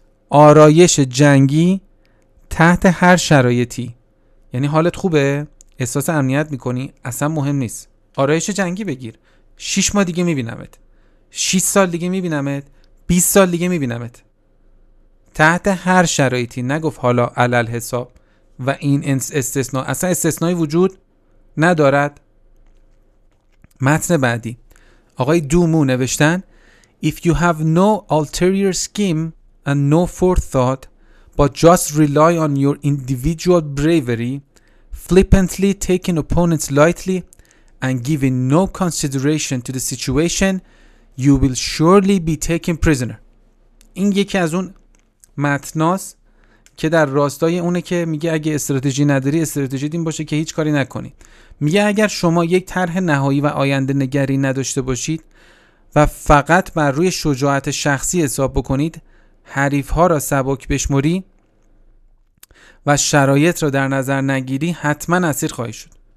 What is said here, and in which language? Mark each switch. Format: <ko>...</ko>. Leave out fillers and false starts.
<fa>آرایش جنگی تحت هر شرایطی، یعنی حالت خوبه، احساس امنیت میکنی، اصلا مهم نیست، آرایش جنگی بگیر. 6 ماه دیگه میبینمت، 6 سال دیگه میبینمت، 20 سال دیگه میبینمت. تحت هر شرایطی، نگفت حالا علل حساب و این استثناء، اصلا استثنایی وجود ندارد. متن بعدی آقای دومو نوشتن</fa> <en>If you have no ulterior scheme and no forethought but just rely on your individual bravery flippantly taking opponents lightly and giving no consideration to the situation you will surely be taken prisoner.</en> <fa>این یکی از اون متناست که در راستای اونه که میگه اگه استراتژی نداری استراتژی دین باشه که هیچ کاری نکنی. میگه اگر شما یک طرح نهایی و آینده نگری نداشته باشید و فقط بر روی شجاعت شخصی حساب بکنید، حریف‌ها را سبک بشموری و شرایط را در نظر نگیری، حتما اسیر خواهی شد.</fa>